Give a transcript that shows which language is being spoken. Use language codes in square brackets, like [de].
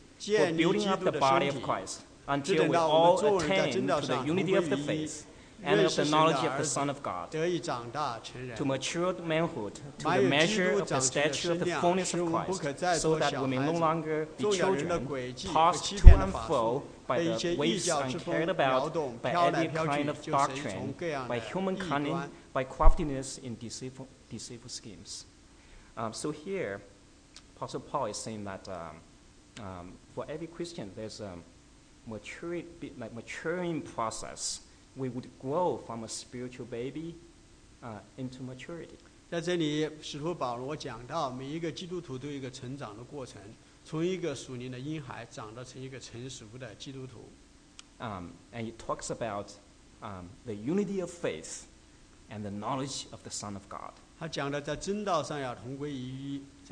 [en] For building up the body of Christ until we all attain to the unity of the faith and of the knowledge of the Son of God, to matured manhood, to the measure of the stature of the fullness of Christ, so that we may no longer be children tossed to and fro by the waves and carried about by every kind of doctrine, by human cunning, by craftiness in deceitful schemes. So here, Apostle Paul is saying that. For every Christian, there's a maturing process. We would grow from a spiritual baby into maturity. [zh] 在这里，使徒保罗讲到，每一个基督徒都有一个成长的过程，从一个属灵的婴孩长到成一个成熟的基督徒。 [en] And he talks about the unity of faith and the knowledge of the Son of God. [zh] 他讲的在真道上要同归于一。